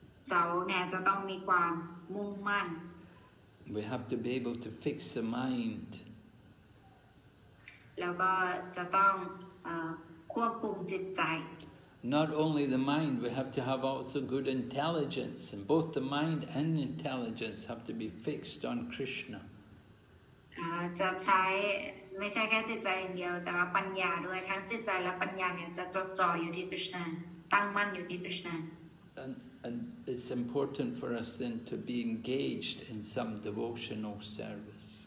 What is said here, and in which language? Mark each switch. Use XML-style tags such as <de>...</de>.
<th>สาวกเนี่ยจะต้องมีความมุ่งมั่น</th> <en>We have to be able to fix the mind.</en> <th>แล้วก็จะต้องควบคุมจิตใจ</th> <en>Not only the mind, we have to have also good intelligence. And both the mind and intelligence have to be fixed on Krishna.</en> <th>จะใช้ไม่ใช่แค่จิตใจอย่างเดียวแต่ว่าปัญญาด้วยทั้งจิตใจและปัญญาเนี่ยจะจดจ่ออยู่ที่ Krishna ตั้งมั่นอยู่ที่ Krishna.</th> <en>And it's important for us then to be engaged in some devotional service.</en>